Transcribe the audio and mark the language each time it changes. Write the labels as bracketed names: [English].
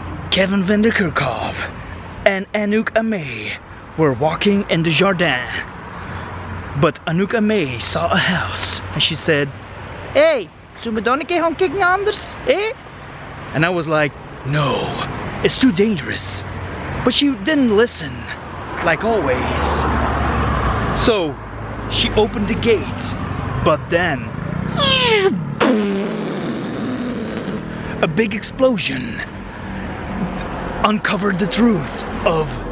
[English] Kevin van der Kerkhove and Anouk Amay were walking in the Jardin. But Anouk Amay saw a house and she said, [Dutch] hey, zullen we dan een keer gaan kijken anders? Hey? [English] And I was like, no, it's too dangerous. But she didn't listen, like always. So she opened the gate, but then a big explosion uncovered the truth of